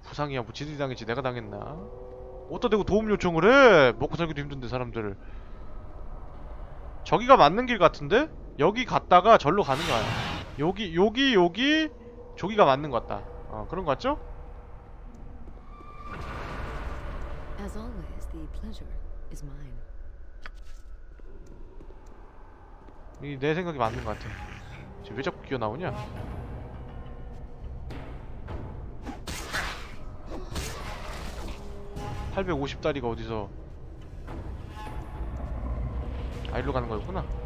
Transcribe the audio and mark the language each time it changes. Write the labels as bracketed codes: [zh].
[ko] 부상이야 뭐 지들이 당했지 내가 당했나. 어따 대고 도움 요청을 해. 먹고 살기도 힘든데 사람들을. 저기가 맞는 길 같은데? 여기 갔다가 절로 가는 거 아니야. 여기 저기가 맞는 것 같다. 어 그런 거 같죠? [en] As always, the pleasure is mine. [ko] 이 내 생각이 맞는 것 같아. 지금 왜 자꾸 기어 나오냐? 850다리가 어디서? 아 이리로 가는 거였구나.